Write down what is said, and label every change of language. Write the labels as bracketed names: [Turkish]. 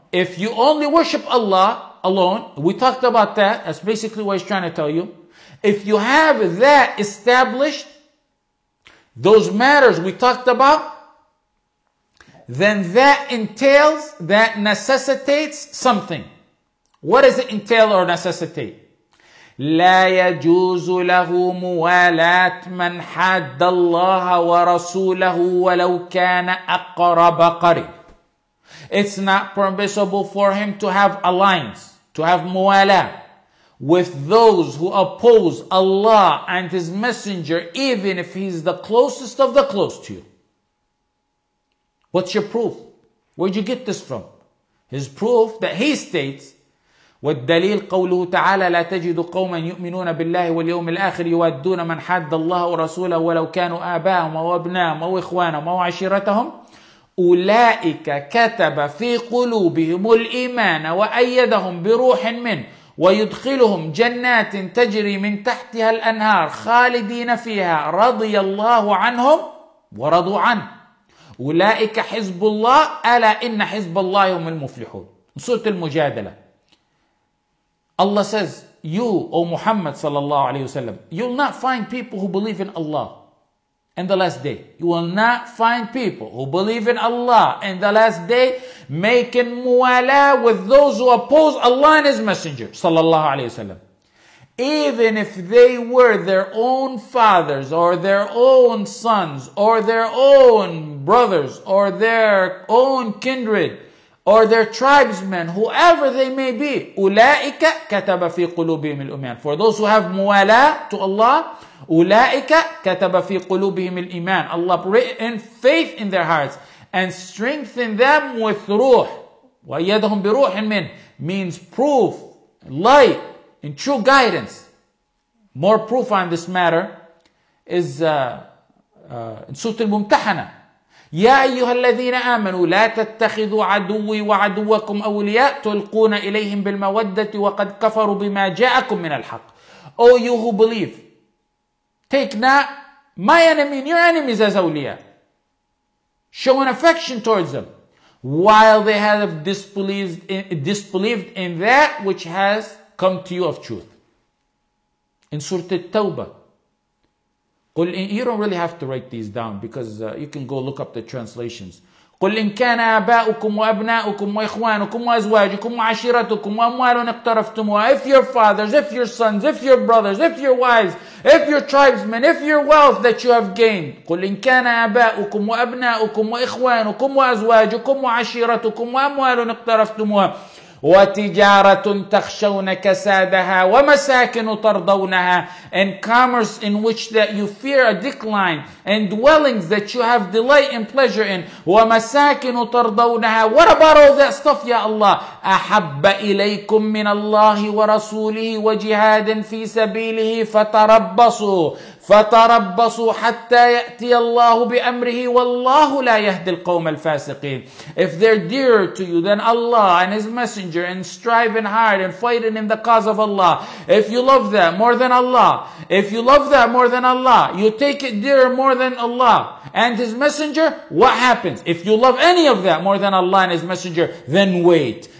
[English] If you only worship Allah alone, we talked about that. That's basically what he's trying to tell you. If you have that established, those matters we talked about, then that entails, that necessitates something. What does it entail or necessitate? [Arabic] لا يجوز له موالاة من حد الله ورسوله ولو كان أقرب قريب. [English] It's not permissible for him to have alliance, to have موالاة with those who oppose Allah and his messenger, even if he's the closest of the close to you. What's your proof? Where'd you get this from? His proof that he states, [Arabic] والدليل قوله تعالى لا تجد قوما يؤمنون بالله واليوم الآخر يوادون من حد الله ورسوله ولو كانوا آباءهم أو أبناءهم أو إخوانهم أو عشيرتهم أولئك كتب في قلوبهم الإيمان وأيدهم بروح منه ويدخلهم جنات تجري من تحتها الأنهار خالدين فيها رضي الله عنهم ورضوا عنه أولئك حزب الله ألا إن حزب الله هم المفلحون. سورة المجادلة. [English] Allah says, you, O Muhammad sallallahu alayhi wa sallam, you'll not find people who believe in Allah in the last day. You will not find people who believe in Allah in the last day making muwala with those who oppose Allah and His Messenger sallallahu alayhi wa sallam. Even if they were their own fathers or their own sons or their own brothers or their own kindred, or their tribesmen, whoever they may be, [Arabic] أُولَٰئِكَ كَتَبَ فِي قُلُوبِهِمِ الْإِمَانِ. [English] For those who have muwala to Allah, [Arabic] أُولَٰئِكَ كَتَبَ فِي قُلُوبِهِمِ الْإِمَانِ. [English] Allah written faith in their hearts and strengthen them with ruh. [Arabic] وَيَدْهُمْ بِرُوحٍ مِنْ [English] means proof, light, and true guidance. More proof on this matter is in Surah Al-Mumtahana. [Arabic] يا أيها الذين آمنوا لا تتخذوا عدوي وعدوكم أولياء تلقون إليهم بالمودة وقد كفروا بما جاءكم من الحق. [English] O you who believe, take not my enemy and your enemies as أولياء. Show an affection towards them while they have disbelieved in that which has come to you of truth. In Surah At-Tawbah. [Arabic] قل إن, [English] you don't really have to write these down because you can go look up the translations. [Arabic] قل إن كان آباؤكم وأبناؤكم وإخوانكم وأزواجكم وعشيرتكم وأموال اقترفتموها. [English] If your fathers, if your sons, if your brothers, if your wives, if your tribesmen, if your wealth that you have gained. [Arabic] قل إن كان آباؤكم وأبناؤكم وإخوانكم وأزواجكم وعشيرتكم وأموال اقترفتموها. وتجارة تخشون كسادها ومساكن ترضونها. [English] And commerce in which that you fear a decline, and dwellings that you have delight and pleasure in. [Arabic] ومساكن ترضونها. [English] What about all that stuff, ya Allah? [Arabic] أحب إليكم من الله ورسوله وجهاد في سبيله فتربصوا فتربصوا حتى يأتي الله بأمره والله لا يهدي القوم الفاسقين. [English] If they're dearer to you than Allah and His Messenger and striving hard and fighting in the cause of Allah, if you love that more than Allah, if you love that more than Allah, you take it dearer more than Allah and His Messenger, what happens? If you love any of that more than Allah and His Messenger, then wait.